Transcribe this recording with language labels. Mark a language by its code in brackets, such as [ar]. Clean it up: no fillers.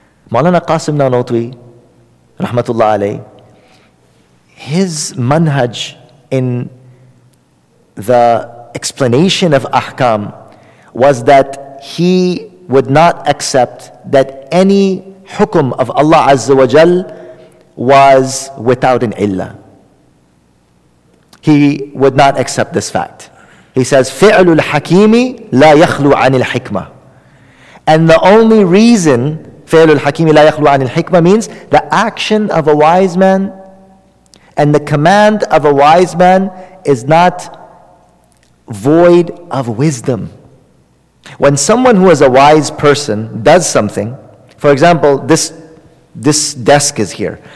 [en] Maulana Qasim Nanotwi, rahmatullah alayh, his manhaj in the explanation of ahkam was that he would not accept that any hukum of Allah Azza wa Jal was without an illa. He would not accept this fact. He says, [ar] فِعْلُ الْحَكِيمِ لَا يَخْلُو عَنِ الْحِكْمَةِ. [en] And the only reason, [ar] فِعْلُ الْحَكِيمِ لَا يَخْلُو عَنِ الْحِكْمَةِ, [en] means the action of a wise man and the command of a wise man is not void of wisdom. When someone who is a wise person does something, for example, this desk is here.